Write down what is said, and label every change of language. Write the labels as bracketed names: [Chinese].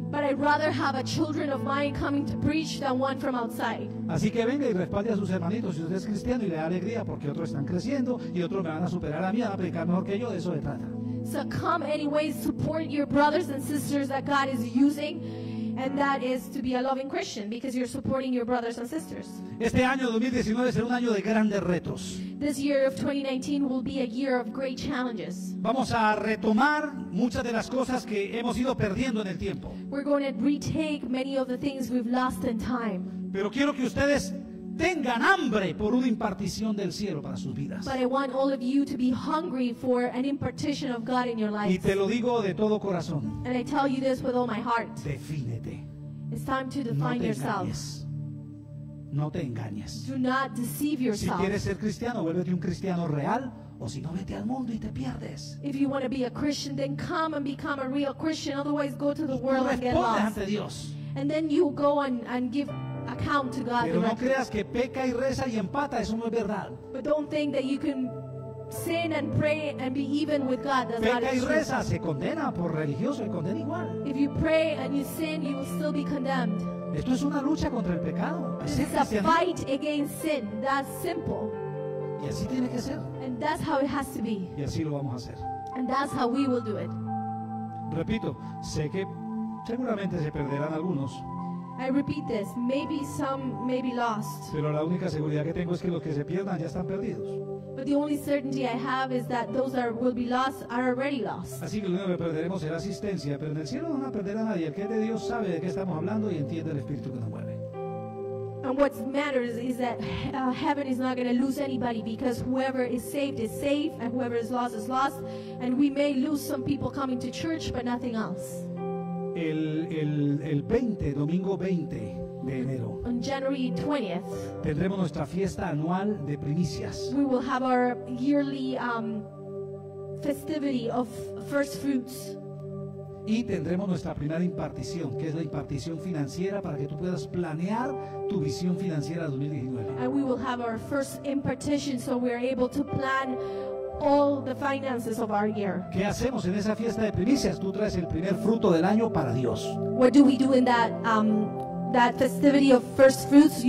[English] But I'd rather have a children of mine coming to preach than one from outside. [Spanish] Así que venga y respalde a sus hermanitos si usted es cristiano y le da alegría porque otros están creciendo y otros me van a superar a mí, a predicar mejor que yo, de eso se trata. [English] So come anyways, support your brothers and sisters that God is using. And that is to be a loving Christian because you're supporting your brothers and sisters. [Spanish] Este año 2019 será un año de grandes retos. [English] This year of 2019 will be a year of great challenges. [Spanish] Vamos a retomar muchas de las cosas que hemos ido perdiendo en el tiempo. [English] We're going to retake many of the things we've lost in time. [Spanish] Pero quiero que ustedes tengan hambre por una impartición del cielo para sus vidas. [English] But I want all of you to be hungry for an impartition of God in your life. [Spanish] Y te lo digo de todo corazón. [English] And I tell you this with all my heart. [Spanish] Defínete. [English] It's time to define yourself. [Spanish] No te engañes. [English] Do not deceive yourself. [Spanish] Si quieres ser cristiano, vuélvete un cristiano real, o si no, vete al mundo y te pierdes. [English] If you want to be a Christian, then come and become a real Christian. Otherwise, go to the world and get lost. [Spanish] Ante Dios. [English] And then you go and give account to God. [Spanish] Pero no creas que peca y reza y empata, eso no es verdad. [English] But don't think that you can sin and pray and be even with God. That's [Spanish] peca y reza, se condena por religioso, se condena igual. [English] If you pray and you sin, you will still be condemned. [Spanish] Esto es una lucha contra el pecado. [English] It's a fight against sin. That's simple. [Spanish] Y así tiene que ser. [English] And that's how it has to be. [Spanish] Y así lo vamos a hacer. [English] And that's how we will do it. [Spanish] Repito, sé que seguramente se perderán algunos. [English] I repeat this, maybe some may be lost. [Spanish] Pero la única seguridad que tengo es que los que se pierdan ya están perdidos. [English] But the only certainty I have is that those that will be lost are already lost. [Spanish] Así que lo único que perderemos será asistencia, pero en el cielo no van a perder a nadie. El que es de Dios sabe de qué estamos hablando y entiende el Espíritu que nos mueve. [English] And what matters is that heaven is not going to lose anybody because whoever is saved is safe and whoever is lost is lost. And we may lose some people coming to church, but nothing else. [Spanish] El 20, domingo 20, de enero. [English] On January 20th, [Spanish] tendremos nuestra fiesta anual de primicias. [English] We will have our yearly festivity of first fruits. [Spanish] Y tendremos nuestra primera impartición, que es la impartición financiera para que tú puedas planear tu visión financiera 2019. [English] And we will have our first impartition so we are able to plan all the finances of our year. [Spanish] ¿Qué hacemos en esa fiesta de primicias? Tú traes el primer fruto del año para Dios. [English] What do we do in that that festivity of first fruits?